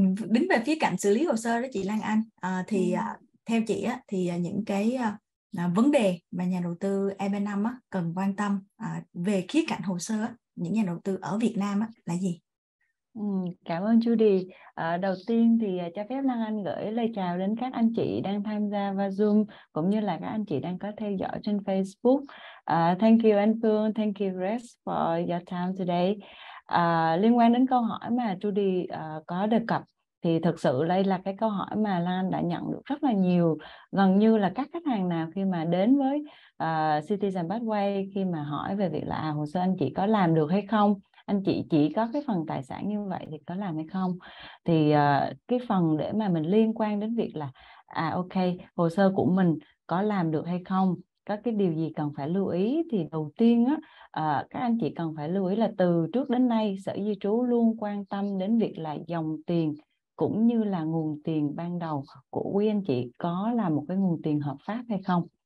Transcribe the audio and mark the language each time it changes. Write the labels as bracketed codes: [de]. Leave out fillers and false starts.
[vi] Đứng về phía cạnh xử lý hồ sơ đó chị Lan Anh, thì theo chị á, thì những cái vấn đề mà nhà đầu tư EB5 á, cần quan tâm về khía cạnh hồ sơ á, những nhà đầu tư ở Việt Nam á, là gì? Cảm ơn Judy. Đầu tiên thì cho phép Lan Anh gửi lời chào đến các anh chị đang tham gia vào Zoom cũng như là các anh chị đang có theo dõi trên Facebook. [en] Thank you anh Phương, thank you Rex for your time today. [vi] Liên quan đến câu hỏi mà Judy có đề cập thì thực sự đây là cái câu hỏi mà Lan đã nhận được rất là nhiều, gần như là các khách hàng nào khi mà đến với Citizen Pathway khi mà hỏi về việc là hồ sơ anh chị có làm được hay không, anh chị chỉ có cái phần tài sản như vậy thì có làm hay không, thì cái phần để mà mình liên quan đến việc là ok, hồ sơ của mình có làm được hay không, có cái điều gì cần phải lưu ý, thì đầu tiên á, các anh chị cần phải lưu ý là từ trước đến nay sở di trú luôn quan tâm đến việc là dòng tiền cũng như là nguồn tiền ban đầu của quý anh chị có là một cái nguồn tiền hợp pháp hay không.